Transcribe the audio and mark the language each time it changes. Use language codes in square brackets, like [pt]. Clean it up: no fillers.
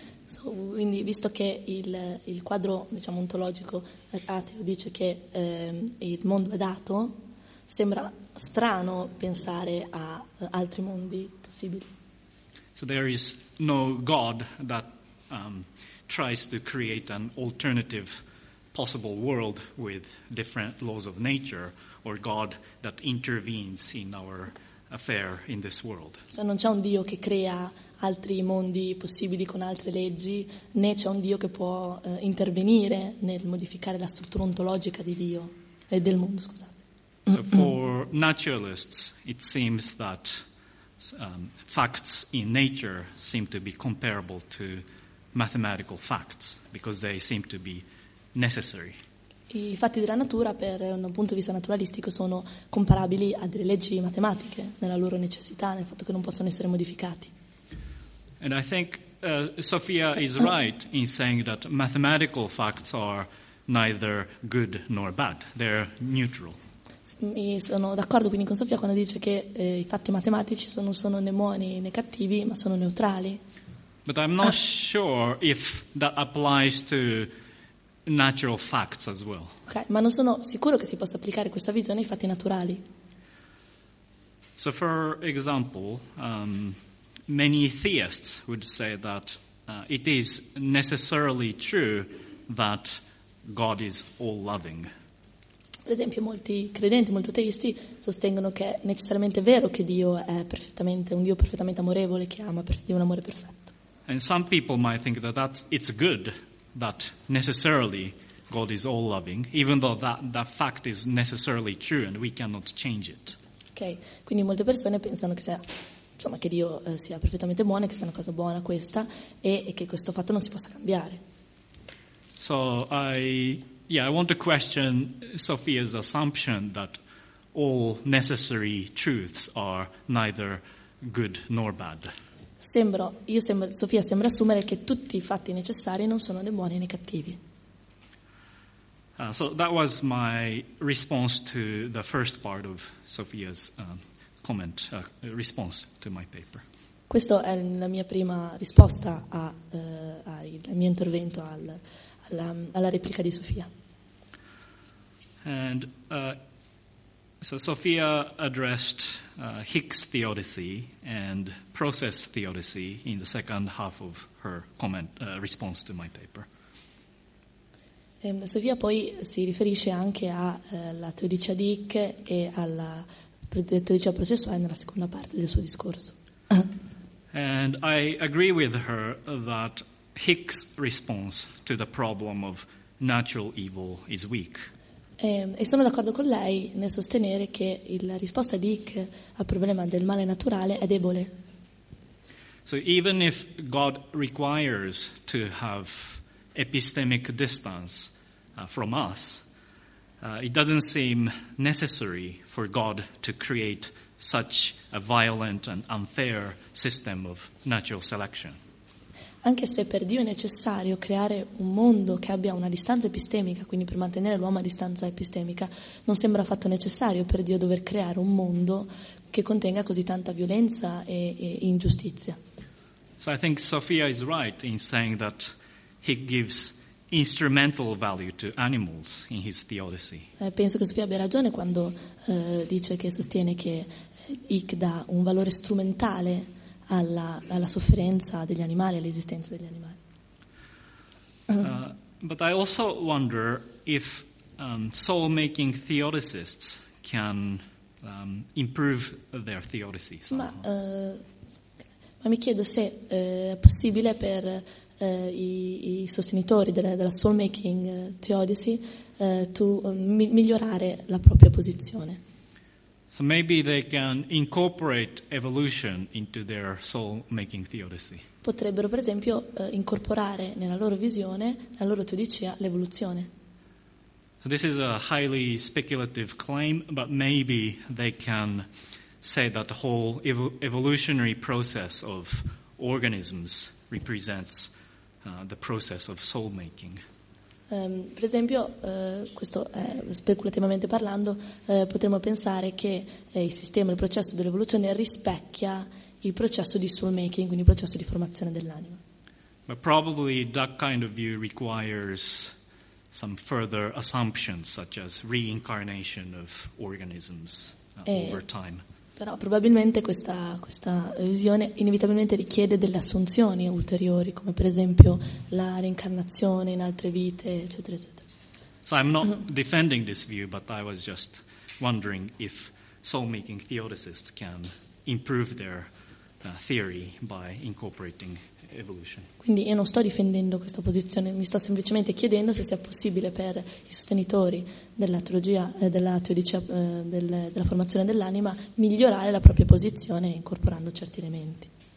[it] So, quindi, visto che il quadro, diciamo, ontologico ateo dice che il mondo è dato, sembra strano pensare a altri mondi possibili. [en] So there is no God that tries to create an alternative possible world with different laws of nature, or God that intervenes in our affair in this world. [it] Cioè non c'è un Dio che crea altri mondi possibili con altre leggi, né c'è un Dio che può intervenire nel modificare la struttura ontologica di Dio e del mondo, scusate. [en] So for naturalists, it seems that facts in nature seem to be comparable to mathematical facts because they seem to be necessary. [it] I fatti della natura, per un punto di vista naturalistico, sono comparabili a delle leggi matematiche nella loro necessità, nel fatto che non possono essere modificati. [en] And I think Sofia is right in saying that mathematical facts are neither good nor bad; they're neutral. [it] E sono d'accordo quindi con Sofia quando dice che i fatti matematici non sono né buoni né cattivi, ma sono neutrali. [en] But I'm not sure if that applies to natural facts as well. [it] Okay, ma non sono sicuro che si possa applicare questa visione ai fatti naturali. [en] So for example, many theists would say that it is necessarily true that God is all loving. [it] Per esempio, molti credenti, molti teisti sostengono che è necessariamente vero che Dio è perfettamente un Dio perfettamente amorevole, che ama di un amore perfetto. [en] And some people might think that it's good that necessarily God is all loving, even though that fact is necessarily true and we cannot change it. [it] Ok, quindi molte persone pensano che sia, insomma, che Dio sia perfettamente buono, che sia una cosa buona questa, e che questo fatto non si possa cambiare. [en] So I want to question Sophia's assumption that all necessary truths are neither good nor bad. [it] Sofia sembra assumere che tutti i fatti necessari non sono né buoni né cattivi. [en] So that was my response to the first part of Sophia's comment, response to my paper. [it] Questo è la mia prima risposta al mio intervento alla replica di Sofia. [en] And so Sophia addressed Hicks theodicy and process theodicy in the second half of her comment response to my paper. [it] Sophia poi si riferisce anche alla teodicea di Hicks e alla teodicea processuale nella seconda parte del suo discorso. [en] And I agree with her that Hicks' response to the problem of natural evil is weak. [it] E sono d'accordo con lei nel sostenere che la risposta di Hicks al problema del male naturale è debole. [en] So even if God requires to have epistemic distance from us, it doesn't seem necessary for God to create such a violent and unfair system of natural selection. [it] Anche se per Dio è necessario creare un mondo che abbia una distanza epistemica, quindi per mantenere l'uomo a distanza epistemica, non sembra affatto necessario per Dio dover creare un mondo che contenga così tanta violenza e ingiustizia. [en] So I think Sophia is right in saying that he gives instrumental value to animals in his theodicy. [it] Penso che Sofia abbia ragione quando dice che sostiene che Hicks dà un valore strumentale alla sofferenza degli animali, all'esistenza degli animali. [en] But I also wonder if soul-making theodicists can improve their theodicy somehow. [it] Ma mi chiedo se è possibile per i sostenitori della soul-making theodicy migliorare la propria posizione. [en] So maybe they can incorporate evolution into their soul-making theodicy. [it] Potrebbero, per esempio, incorporare nella loro visione, nella loro teodicea, l'evoluzione. [en] So this is a highly speculative claim, but maybe they can say that the whole evolutionary process of organisms represents the process of soul-making. [it] Per esempio, questo speculativamente parlando, potremmo pensare che il sistema, il processo dell'evoluzione rispecchia il processo di soul making, quindi il processo di formazione dell'anima. [en] But probably that kind of view requires some further assumptions, such as reincarnation of organisms over time. [it] Però probabilmente questa visione inevitabilmente richiede delle assunzioni ulteriori, come per esempio la reincarnazione in altre vite, eccetera, eccetera. [en] So I'm not defending this view, but I was just wondering if soul-making theodicists can improve their theory by incorporating evolution. [it] Quindi io non sto difendendo questa posizione, mi sto semplicemente chiedendo se sia possibile per i sostenitori della teologia, della formazione dell'anima migliorare la propria posizione incorporando certi elementi.